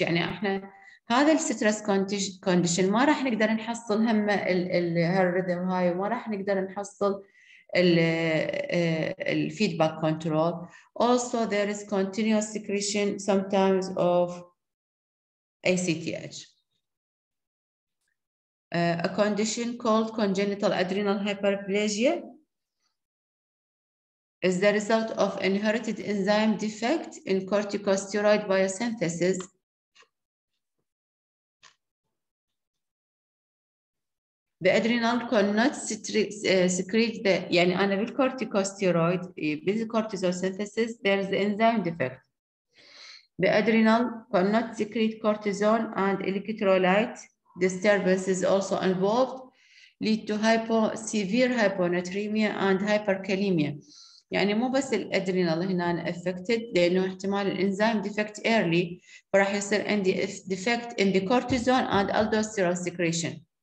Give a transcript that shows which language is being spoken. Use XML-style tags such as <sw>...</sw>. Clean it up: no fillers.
<ar>يعني احنا هذا الستريس كونديشن ما راح نقدر نحصل هم الريذم هاي، وما راح نقدر نحصل الفيدباك كنترول.</ar> <en>Also there is continuous secretion sometimes of ACTH. A condition called congenital adrenal hyperplasia is the result of inherited enzyme defect in corticosteroid biosynthesis. The adrenal cannot secrete the</en> <ar>يعني أنا بالكورتيكوستيرويد بالكورتيزول</ar> <en>synthesis there is the enzyme defect. The adrenal cannot secrete cortisone and electrolyte disturbance is also involved, lead to severe hyponatremia and hyperkalemia.</en> <ar>يعني مو بس الأدرينال هنا affected، لأنه احتمال الإنزيم defect early، فراح يصير عندي</ar> <en>defect in the cortisone and aldosterone secretion.</en>